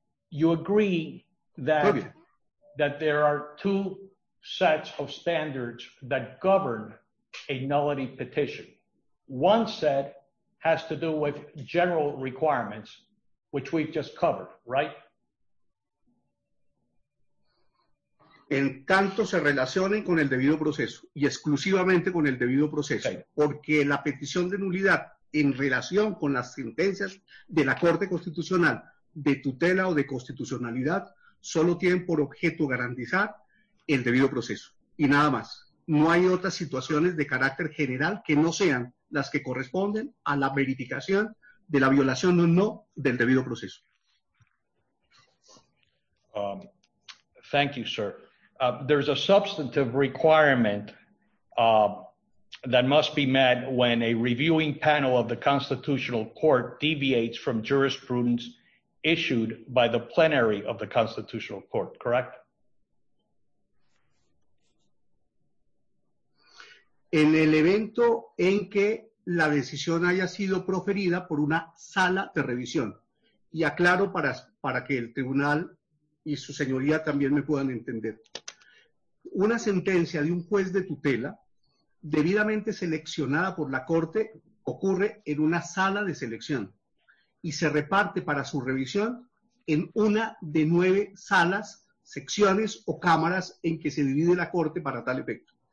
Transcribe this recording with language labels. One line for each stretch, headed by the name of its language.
English: You agree that that there are two sets of standards that govern a nullity petition. One set has to do with general requirements, which we've just covered, right?
Spanish: En tanto se relacionen con el debido proceso y exclusivamente con el debido proceso, okay. Porque la petición de nulidad en relación con las sentencias de la Corte Constitucional de tutela o de constitucionalidad solo tienen por objeto garantizar el debido proceso y nada más. No hay otras situaciones de carácter general que no sean las que corresponden a la verificación de la violación o no del debido proceso.
English: Thank you, sir. There's a substantive requirement that must be met when a reviewing panel of the Constitutional Court deviates from jurisprudence issued by the plenary of the Constitutional Court, correct?
Spanish: En el evento en que la decisión haya sido proferida por una sala de revisión. Y aclaro para que el tribunal y su señoría también me puedan entender. Una sentencia de un juez de tutela, debidamente seleccionada por la Corte, ocurre en una sala de selección y se reparte para su revisión en una de 9 salas, secciones o cámaras en que se divide la Corte para tal efecto.